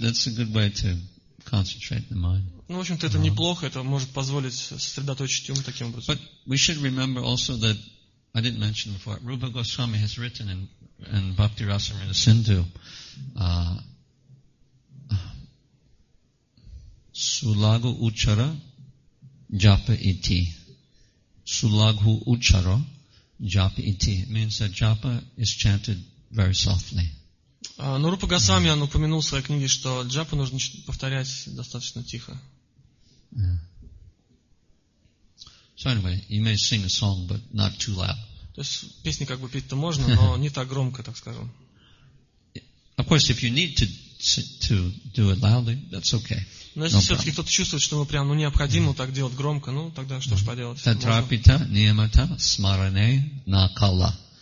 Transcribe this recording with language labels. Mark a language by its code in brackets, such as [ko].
[en] That's a good way to concentrate the mind. [ru] Ну, в общем-то, это неплохо. Это может позволить сосредоточить ум таким образом. [en] But we should remember also that I didn't mention before. Rupa Goswami has written in Bhakti Rasamrita Sindhu, [sa] Sulagu Uchara Japa Iti. Sulagu Uchara Japa Iti. [en] It means that Japa is chanted very softly. [ru] Но Рупа Госвами он упомянул в своей книге, что Джапу нужно повторять достаточно тихо. [en] So anyway, you may sing a song, but not too loud. [ru] То есть песни как бы петь-то можно, но не так громко, так скажем. [en] Of course, if you need to to do it loudly, that's okay. [ru] Но если все-таки кто-то чувствует, что ему прям необходимо так делать громко, ну тогда что ж поделать? [sa] Тетрапита ниемата смаране накала.